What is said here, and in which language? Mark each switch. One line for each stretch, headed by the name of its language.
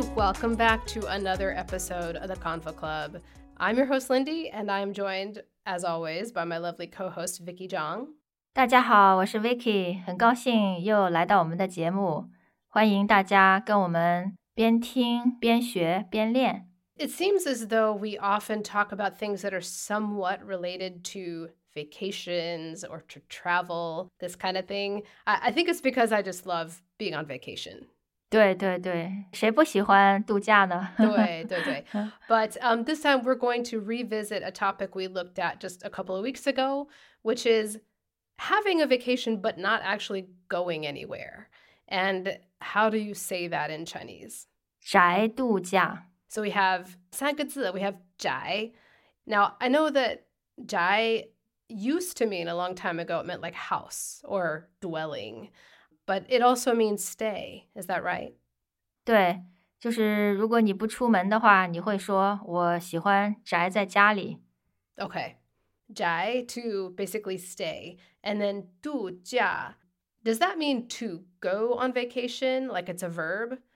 English: Welcome back to another episode of the Convo Club. I'm your host, Lindy, and I am joined, as always, by my lovely co-host, Vicky Zhang.
Chinese: 大家好，我是 Vicky， 很高兴又来到我们的节目。欢迎大家跟我们边听边学边练。
English: It seems as though we often talk about things that are somewhat related to vacations or to travel, this kind of thing. I think it's because I just love being on vacation.
Chinese: 对对对，谁不喜欢度假呢？对对对。
English: But this time we're going to revisit a topic we looked at just a couple of weeks ago, which is having a vacation but not actually going anywhere. And how do you say that in Chinese?
Chinese: 宅度假。
English: So we have
Chinese: 三个字,
English: we have 宅. Now, I know that 宅used to mean a long time ago, it meant like house or dwelling, but it also means stay. Is that right?
Chinese: 对,就是如果你不出门的话,你会说我喜欢宅在家里。
English: Okay, 宅 to basically stay. And then 度假, does that mean to go on vacation, like it's a verb?